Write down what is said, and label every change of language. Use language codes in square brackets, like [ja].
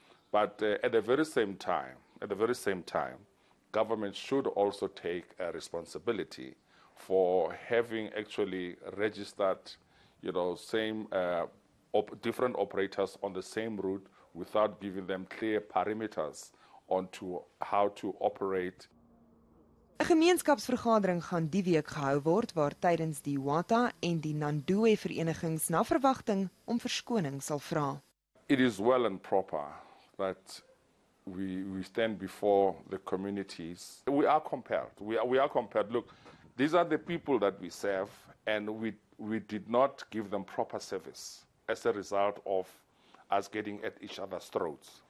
[en] But at the very same time, government should also take a responsibility for having actually registered, you know, different operators on the same route without giving them clear parameters on to how to operate. [af] 'n Gemeenskapsvergadering gaan die week gehou word waar tydens die Wata en die Nandoe verenigings na verwagting om verskoning sal vra. [en] It is well and proper that we stand before the communities. We are compelled. Look, these are the people that we serve and we did not give them proper service as a result of us getting at each other's throats.